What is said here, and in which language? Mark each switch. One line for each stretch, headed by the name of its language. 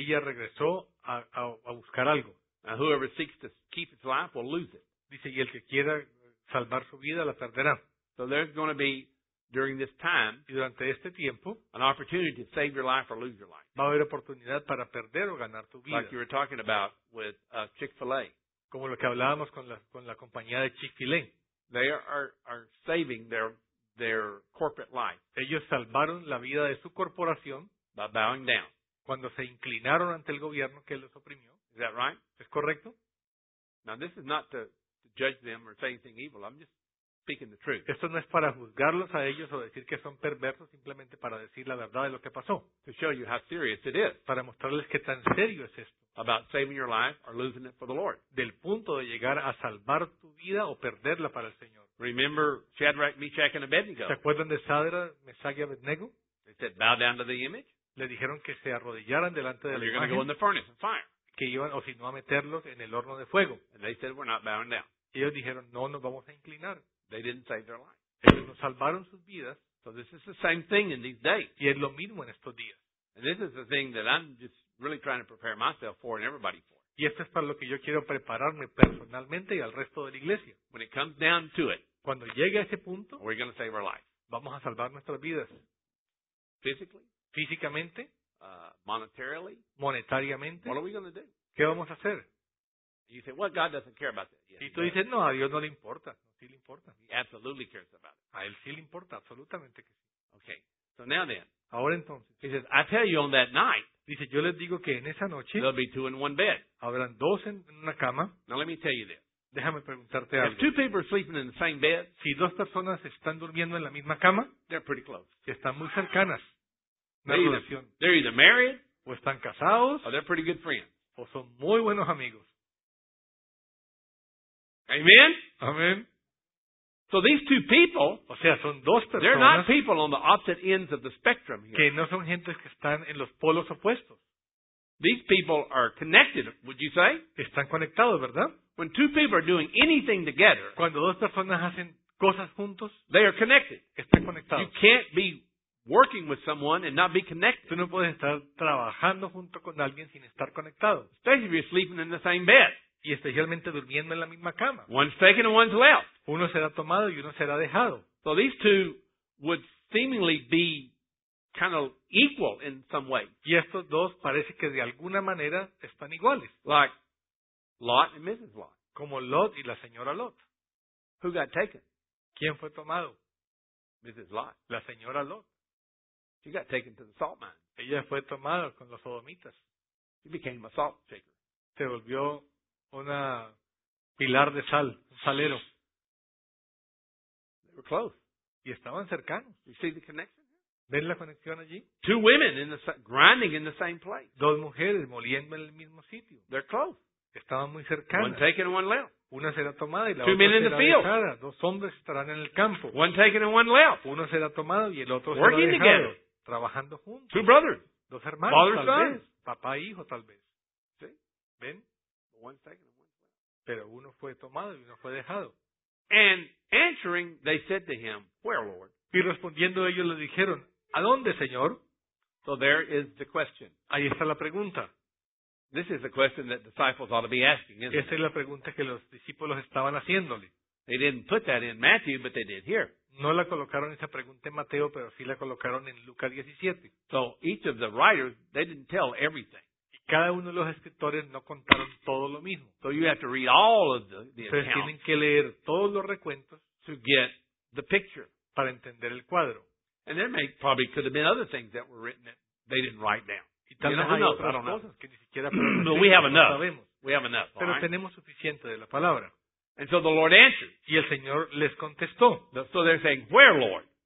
Spanish: Ella regresó a buscar algo.
English: And whoever seeks to keep his life will lose it.
Spanish: Dice, y el que quiera salvar su vida la perderá.
English: So there's going to be, during this time,
Spanish: y durante este tiempo,
English: an opportunity to save your life or lose your life.
Spanish: Va a haber oportunidad para perder o ganar tu vida.
English: Like you were talking about with Chick-fil-A.
Spanish: Como lo que hablábamos con la compañía de Chick-fil-A.
English: They are saving their corporate life.
Spanish: Ellos salvaron la vida de su corporación
English: by bowing down.
Spanish: Cuando se inclinaron ante el gobierno que los oprimió.
English: Is that right?
Spanish: ¿Es correcto?
English: Now this is not to judge them or say anything evil. I'm just speaking the truth.
Spanish: Esto no es para juzgarlos a ellos o decir que son perversos, simplemente para decir la verdad de lo que pasó.
English: To show you how serious it is.
Spanish: Para mostrarles qué tan serio es esto.
English: About saving your life or losing it for the Lord.
Spanish: Del punto de llegar a salvar tu vida o perderla para el Señor.
English: Remember Shadrach, Meshach, and Abednego.
Spanish: ¿Se acuerdan de Shadrach, Meshach, y Abednego?
English: They said, bow down to the image.
Spanish: Le dijeron que se arrodillaran delante de la imagen.
English: Or you're going to go in the furnace and fire.
Spanish: Que iban, o si no, a meterlos en el horno de fuego.
English: And they said, we're not bowing down.
Spanish: Ellos dijeron, no, nos vamos a inclinar.
English: They didn't save their life.
Spanish: Ellos no salvaron sus vidas.
English: So this is the same thing in these days.
Spanish: Y es lo mismo en estos días.
English: And this is the thing that I'm just really trying to prepare myself for and everybody for.
Spanish: Y esto es para lo que yo quiero prepararme personalmente y al resto de la iglesia.
English: When it comes down to it,
Spanish: cuando llegue a ese punto,
English: we're going to save our life.
Spanish: Vamos a salvar nuestras vidas.
English: Physically?
Spanish: Físicamente.
English: Monetarily?
Spanish: Monetariamente.
English: What are we going to do?
Spanish: ¿Qué vamos a hacer?
English: You say, well, God doesn't care about that.
Spanish: Yes, y tú dices, no, a Dios no le importa. No, sí le importa.
English: He absolutely cares about it.
Spanish: A él sí le importa, absolutamente que sí.
English: Okay. So now then,
Spanish: ahora entonces,
English: he says, I tell you on that night,
Spanish: dice, yo les digo que en esa noche,
English: there'll be two in one bed.
Spanish: Habrán dos en una cama.
English: Now let me tell you this.
Spanish: Déjame preguntarte
English: if
Spanish: algo.
English: If two people are sleeping in the same bed,
Spanish: si dos personas están durmiendo en la misma cama,
English: they're pretty close.
Spanish: Si están muy cercanas. Una
English: they're
Spanish: relación.
English: Either, they're either married,
Spanish: o están casados,
English: or they're pretty good friends.
Spanish: O son muy buenos amigos.
English: Amen?
Spanish: Amen.
English: So these two people,
Spanish: o sea, son dos personas,
English: they're not people on the opposite ends of the spectrum here.
Spanish: Que no son gentes que están en los polos opuestos.
English: These people are connected, would you say?
Spanish: Están conectados, ¿verdad?
English: When two people are doing anything together,
Spanish: cuando dos personas hacen cosas juntos,
English: they are connected.
Spanish: Están conectados.
English: You can't be working with someone and not be connected.
Spanish: Tú no puedes estar trabajando junto con alguien sin estar conectado.
English: Especially if you're sleeping in the same bed.
Spanish: Y especialmente durmiendo en la misma cama.
English: One's taken and one's left.
Spanish: Uno será tomado y uno será dejado.
English: So these two would seemingly be kind of equal in some way.
Spanish: Y estos dos parece que de alguna manera están iguales.
English: Like Lot and Mrs. Lot.
Spanish: Como Lot y la señora Lot.
English: Who got taken?
Spanish: ¿Quién fue tomado?
English: Mrs. Lot.
Spanish: La señora Lot.
English: She got taken to the salt mine.
Spanish: Ella fue tomada con los sodomitas.
English: She became a salt shaker.
Spanish: Se volvió una pilar de sal, un salero.
English: They were close.
Spanish: Y estaban cercanos.
English: You see the connection?
Spanish: ¿Ven la conexión allí?
English: Two women in the, grinding in the same place.
Spanish: Dos mujeres moliendo en el mismo sitio.
English: They're close.
Spanish: Estaban muy cercanas.
English: One taken and one left.
Spanish: Una será tomada y la
English: two
Spanish: otra
English: men in
Spanish: será
English: the field.
Spanish: Dejada. Dos hombres estarán en el campo.
English: One taken and one left.
Spanish: Uno será tomado y el otro
English: working
Spanish: será dejado.
English: Together.
Spanish: Trabajando juntos.
English: Two brothers.
Spanish: Dos hermanos,
English: father,
Spanish: tal
English: son.
Spanish: Vez. Papá e hijo, tal vez. ¿Sí? ¿Ven?
English: One taken and one left.
Spanish: Pero uno fue tomado y uno fue dejado.
English: And answering, they said to him, where, Lord?
Spanish: Y respondiendo ellos le dijeron, ¿a dónde, Señor?
English: So there is the question.
Spanish: Ahí está la pregunta.
English: This is the question that disciples ought to be asking, isn't it?
Spanish: Esta es la pregunta que los discípulos estaban haciéndole.
English: They didn't put that in Matthew, but they did here.
Spanish: No la colocaron esa pregunta en Mateo, pero sí la colocaron en Lucas 17.
English: So each of the writers, they didn't tell everything.
Spanish: Y cada uno de los escritores no contaron todo lo mismo.
English: So you have to read all of the accounts.
Spanish: Tienen que leer todos los recuentos
English: to get the picture,
Spanish: para entender el cuadro.
English: And there may probably could have been other things that were written that they didn't write down.
Spanish: Y tal vez hay otras cosas que ni siquiera sabemos.
English: But we have enough. We have enough.
Spanish: Pero tenemos suficiente de la palabra.
English: And so the Lord answered.
Spanish: Y el Señor les contestó.
English: So they're saying, where, Lord?